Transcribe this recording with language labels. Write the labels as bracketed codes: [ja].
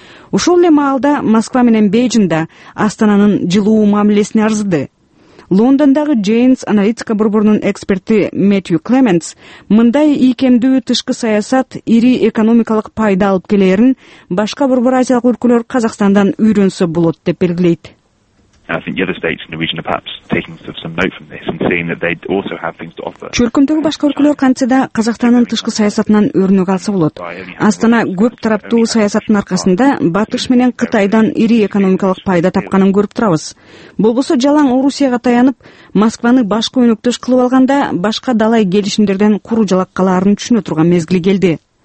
[ky] Ушул эле маалда Москва менен Бейжинда Астананын жылуу мамилесине арзыды. Лондондагы Джейнс Аналитика борборунун эксперти Мэтью Клеменс мындай ийкемдүү тышкы саясат ири экономикалык пайда алып келэрин башка Борбор Азиялык өлкөлөр Казакстандан үйрөнсө болот деп белгилейт. [en] I think the other states in the region are perhaps taking some note from this and seeing that they also have things to offer. [ky] Чөлкөмдөгү башка өлкөлөр кантсе да Казакстандын тышкы саясатынан өрнөк алса болот. Астана көп тараптуу саясаттын аркасында батыш менен Кытайдан ири экономикалык пайда тапканын көрүп турабыз. Болбосо жалаң Орусияга таянып, Москваны башка өнөктөш кылып алганда башка далай келишимдерден куру жалак калаарын түшүнө турган мезгил келди.